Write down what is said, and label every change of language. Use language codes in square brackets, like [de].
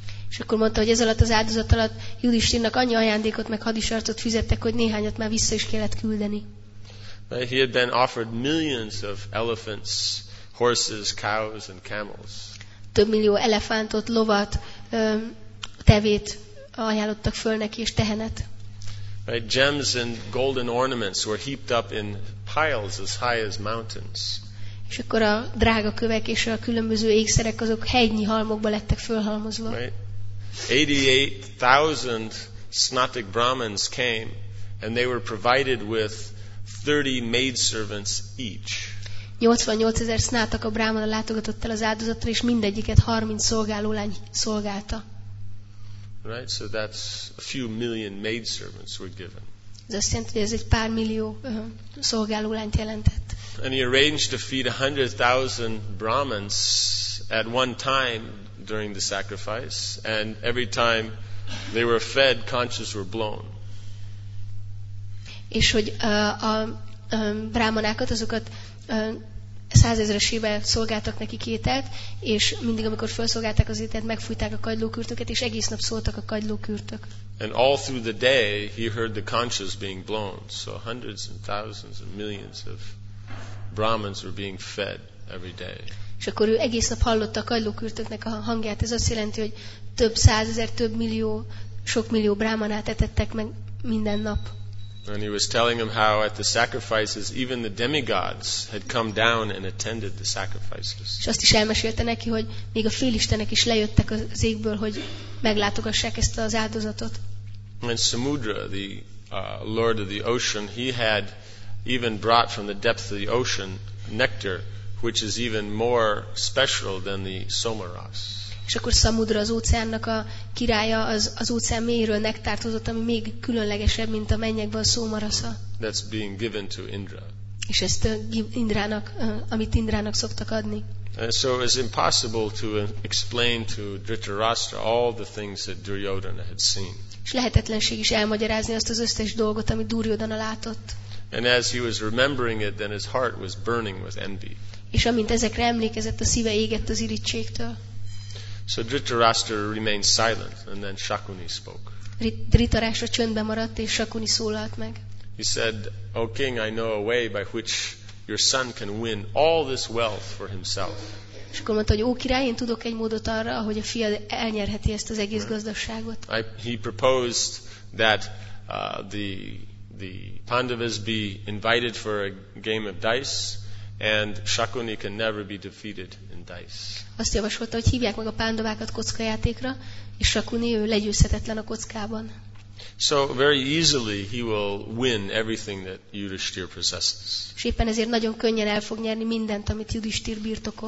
[hu] És akkor mondta, hogy ez alatt az áldozat alatt Yudhishthirának annyi ajándékot meg hadisarcot fizettek, hogy néhányat már vissza is kellett küldeni. [en] But he had been offered millions of elephants, horses, cows and camels. [hu] Több millió elefántot, lovat, tevét ajánlottak föl neki, és tehenet. [en] Right, gems and golden ornaments were heaped up in piles as high as mountains. [hu] És akkor a drága kövek és a különböző ékszerek azok hegynyi halmokba lettek fölhalmozva. [en] Right. 88,000 snatic brahmins came and they were provided with 30 maidservants each. [hu] 88,000 snátak a brámana látogatott el az áldozatra, és mindegyiket 30 szolgálólány szolgálta. [en] Right, so that's a few million maidservants were given. [hu] Ez azt jelenti, hogy ez egy pár millió szolgálólányt jelentett. [en] And he arranged to feed 100,000 brahmins at one time during the sacrifice, and every time they were fed, conscience were blown. [hu] És hogy a brámanákat, azokat százezresével szolgáltak nekik ételt, és mindig, amikor felszolgálták az ételt, megfújták a kagylókürtöket, és egész nap szóltak a kagylókürtök. [en] And all through the day, he heard the conches being blown. So hundreds and thousands and millions of Brahmins were being fed every day. [hu] És akkor ő egész nap hallotta a kagylókürtöknek a hangját. Ez azt jelenti, hogy több százezer, több millió, sok millió brámanát etettek meg minden nap. [en] And he was telling him how at the sacrifices even the demigods had come down and attended the sacrifices. [hu] És azt is elmesélte neki, hogy még a félistenek is lejöttek az égből, hogy meglátogassák ezt az áldozatot. [en] And Samudra, the lord of the ocean, he had even brought from the depth of the ocean nectar, which is even more special than the somaras. [hu] És akkor Samudra, az óceánnak a királya, az óceán mélyéről nektárt hozott, ami még különlegesebb, mint a mennyekben a szómarasza. [en] That's being given to Indra. [hu] És ezt Indrának, amit Indrának szoktak adni. [en] So it's impossible to explain to Dhritarashtra all the things that Duryodhana had seen. [hu] És lehetetlenség is elmagyarázni azt az összes dolgot, amit Duryodhana látott. [en] And as he was remembering it, then his heart was burning with envy. [hu] És amint ezekre emlékezett, a szíve égett az irigységtől. [en] So Dhritarashtra remained silent, and then Shakuni spoke. [hu] Dhritarashtra csöndben maradt, és Shakuni szólalt meg. [en] He said, O king, I know a way by which your son can win all this wealth for himself. [hu] És akkor mondta, hogy ó király, én tudok egy módot arra, hogy a fiad elnyerheti ezt az egész gazdagságot. [en] He proposed that the Pandavas be invited for a game of dice, and Shakuni can never be defeated in dice. [hu] Azt javasolta, hogy hívják meg a Pándovákat kockajátékra, és Shakuni ő legyőzhetetlen a kockában. [en] So very easily he will win everything that Yudhisthira possesses. [hu] És éppen ezért nagyon könnyen el fog nyerni mindent, amit Yudhisthira birtokol.